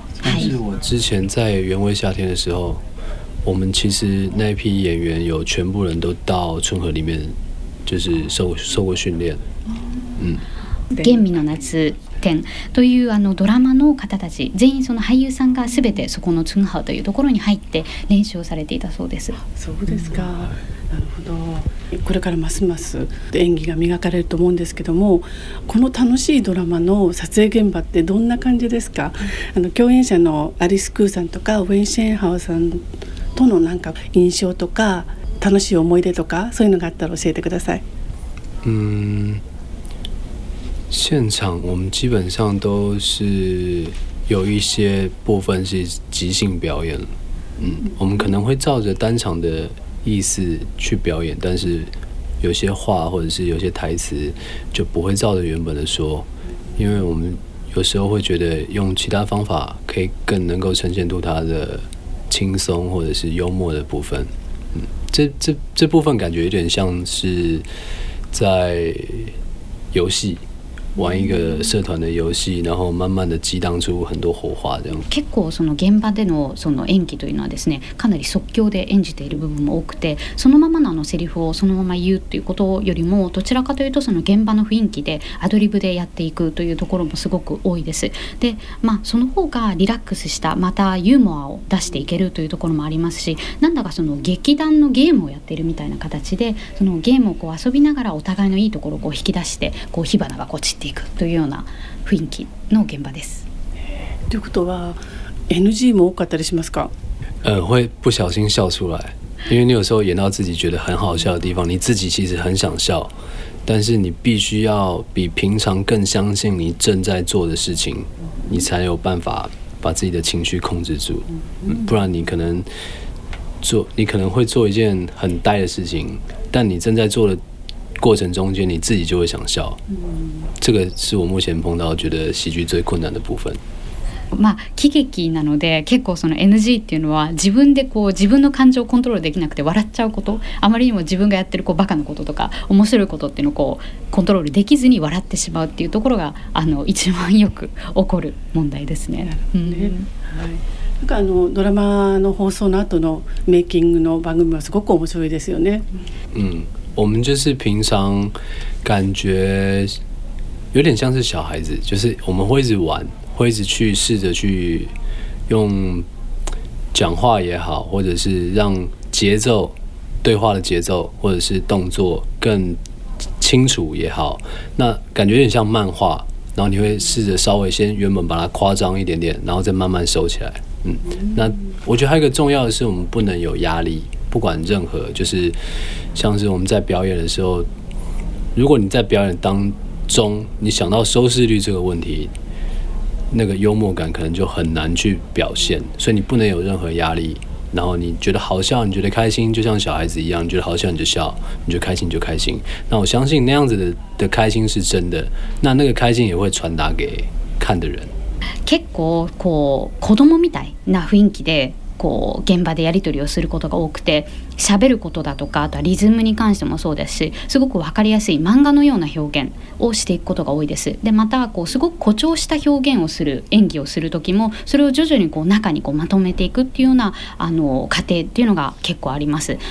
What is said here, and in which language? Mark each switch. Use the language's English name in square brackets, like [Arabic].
[Chinese] 但是我之前在原味夏天的时候、我们其实那批演员有全部人都到春和里面就是受过训练。 [Japanese] 原味の夏展というドラマの方たち全員、その俳優さんが全てそこのツンハウというところに入って練習をされていたそうです。そうですか、なるほど。これからますます演技が磨かれると思うんですけども、この楽しいドラマの撮影現場ってどんな感じですか？共演者のアリス・クーさんとかウェン・シェンハオさんとのなんか印象とか楽しい思い出とか、そういうのがあったら教えてください。 [Chinese] 现场我们基本上都是有一些部分是即兴表演，我们可能会照着单场的意思去表演，但是有些话或者是有些台词就不会照着原本的说，因为我们有时候会觉得用其他方法可以更能够呈现出他的轻松或者是幽默的部分。嗯，这部分感觉有点像是在游戏玩一个社团的游戏，然后慢慢的激荡出很多火花这样。 [Japanese] 結構その現場でのその演技というのはですね、かなり即興で演じている部分も多くて、そのままのあのセリフをそのまま言うということよりも、どちらかというとその現場の雰囲気でアドリブでやっていくというところもすごく多いです。で、まあその方がリラックスした、またユーモアを出していけるというところもありますし、なんだかその劇団のゲームをやっているみたいな形で、そのゲームをこう遊びながらお互いのいいところをこう引き出して、こう火花がこっちていくというような雰囲気の現場です。ということは NG も多かったりしますか？ [Chinese] 会不小心笑出来，因为你有时候演到自己觉得很好笑的地方，你自己其实很想笑，但是你必须要比平常更相信你正在做的事情，你才有办法把自己的情绪控制住。不然你可能会做一件很呆的事情，但你正在做的过程中间你自己就会想笑。这个是我目前碰到觉得喜剧最困难的部分。 [Japanese] まあ喜劇なので結構その NG っていうのは自分でこう自分の感情をコントロールできなくて笑っちゃうこと、あまりにも自分がやってるこうバカなこととか面白いことっていうのをこうコントロールできずに笑ってしまうっていうところがあの一番よく起こる問題ですね。はい。なんかあのドラマの放送の後のメイキングの番組はすごく面白いですよね。 [Chinese] 我们就是平常感觉有点像是小孩子，就是我们会一直玩，会一直去试着去用讲话也好，或者是让节奏，对话的节奏或者是动作更清楚也好，那感觉有点像漫画，然后你会试着稍微先原本把它夸张一点点，然后再慢慢收起来。那我觉得还有一个重要的是，我们不能有压力，不管任何，就是像是我们在表演的时候，如果你在表演当中你想到收视率这个问题，那个幽默感可能就很难去表现，所以你不能有任何压力，然后你觉得好笑你觉得开心，就像小孩子一样，你觉得好笑你就笑，你就开心就开心，那我相信那样子 的开心是真的，那那个开心也会传达给看的人。 [Japanese] 結構こう子供みたいな雰囲気でこう現場でやり取りをすることが多くて、喋ることだとか、あとはリズムに関してもそうですし、すごく分かりやすい漫画のような表現をしていくことが多いです。でまたこうすごく誇張した表現をする演技をする時も、それを徐々にこう中にこうまとめていくっていうようなあの過程っていうのが結構あります。